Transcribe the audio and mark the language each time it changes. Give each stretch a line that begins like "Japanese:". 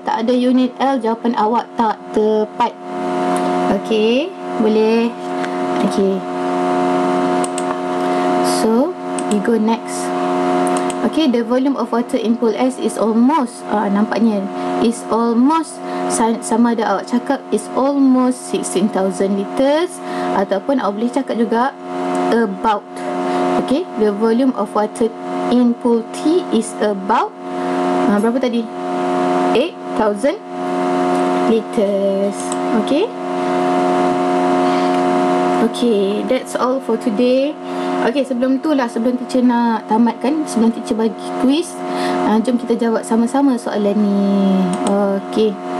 Malay: Tak ada unit L, jawapan awak tak tepat. Okay, boleh?
English: Okay, so we go next. Okay, the volume of water in pool S is almost,
Malay: nampaknya,
English: is almost
Malay: sama ada awak cakap
English: is almost 16,000 liters
Malay: ataupun awak boleh cakap juga about.
English: Okay, the volume of water in pool T is about
Malay: berapa tadi?
English: 8,000 liters. Okay. Okay, that's all for today.
Malay: Okay, sebelum tu lah, sebelum teacher nak tamatkan, sebelum teacher bagi quiz, jom kita jawab sama-sama soalan ni. Okay.